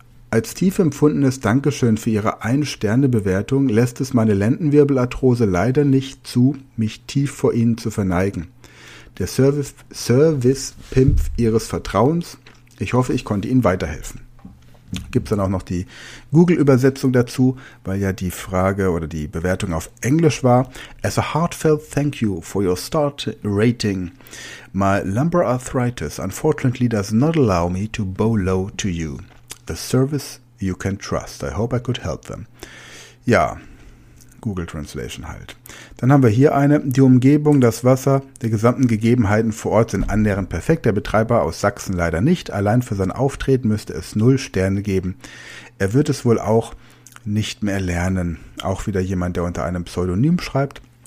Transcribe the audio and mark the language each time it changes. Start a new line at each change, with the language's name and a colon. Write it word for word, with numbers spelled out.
German: Als tief empfundenes Dankeschön für Ihre Ein-Sterne-Bewertung lässt es meine Lendenwirbelarthrose leider nicht zu, mich tief vor Ihnen zu verneigen. Der Service, Service-Pimp Ihres Vertrauens. Ich hoffe, ich konnte Ihnen weiterhelfen. Gibt's dann auch noch die Google-Übersetzung dazu, weil ja die Frage oder die Bewertung auf Englisch war.
English: As a heartfelt thank you for your start rating. My lumbar arthritis unfortunately does not allow me to bow low to you. The service you can trust. I hope I could help them.
German: Ja, Google Translation halt. Dann haben wir hier eine. Die Umgebung, das Wasser, die gesamten Gegebenheiten vor Ort sind annähernd perfekt. Der Betreiber aus Sachsen leider nicht. Allein für sein Auftreten müsste es null Sterne geben. Er wird es wohl auch nicht mehr lernen. Auch wieder jemand, der unter einem Pseudonym schreibt.